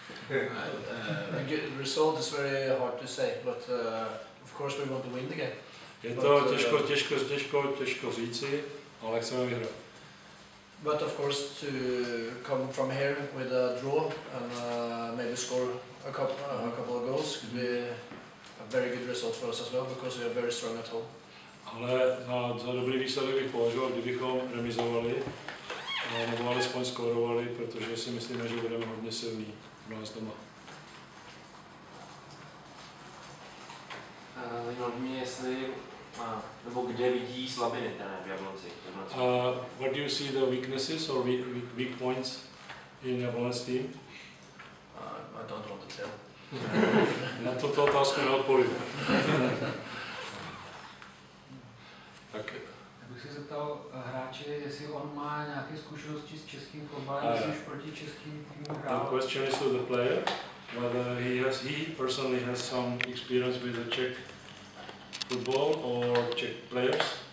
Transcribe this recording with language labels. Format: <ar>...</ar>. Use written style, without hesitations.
<en>The result is very hard to say, but of course we want to win the game.</en> <cs>Je to but, těžko říci, ale chceme vyhrát.</cs> <en>But of course to come from here with a draw and maybe score a couple of goals could be a very good result for us as well because we are very strong at home.</en> <cs>Ale za dobrý výsledek bych považoval, kdybychom remizovali, nebo alespoň skórovali, protože si myslíme, že budeme hodně silní. Zajímalo by mě, jestli nebo kde vidí slabiny v Jablonci.</cs> <en>Where do you see the weaknesses or weak points in Jablonec team? I don't want to tell.</en> <cs>Na tuto otázku neodpovím. Tak. Bych se zeptal hráče, jestli on má nějaké zkušenosti s českým fotbalem, jestli už proti českým týmům hrál.</cs> <en>The question is to the player, whether he personally has some experience with the Czech football or Czech players.</en>